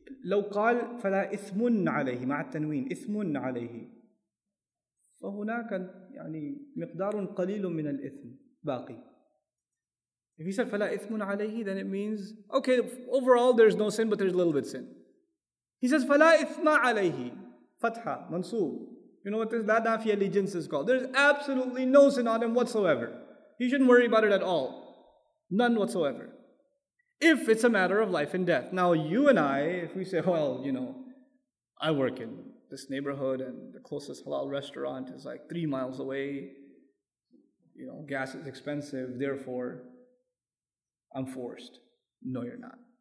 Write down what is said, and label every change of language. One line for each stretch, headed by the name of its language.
Arabic: لَوْ قَالْ فَلَا إِثْمٌ عَلَيْهِ مَعَ التَّنْوِينِ إِثْمٌ عَلَيْهِ فَهُنَاكَ يعني مِقْدَارٌ قَلِيلٌ مِنَ الْإِثْمِ بَاقِي.
English: If he said
Arabic: فَلَا إِثْمٌ عَلَيْهِ,
English: then it means, okay, overall there's no sin, but there's a little bit sin. He says
Arabic: فَلَا إِثْمَ عَلَيْهِ, فَتْحَ, مَنْصُوب.
English: You know what this
Arabic: لَا دَافِيَ لِجِنْسِ
English: is called. There's absolutely no sin on him whatsoever. He shouldn't worry about it at all. None whatsoever. If it's a matter of life and death. Now you and I, if we say, well, you know, I work in this neighborhood and the closest halal restaurant is like 3 miles away, you know, gas is expensive, therefore I'm forced. No, you're not.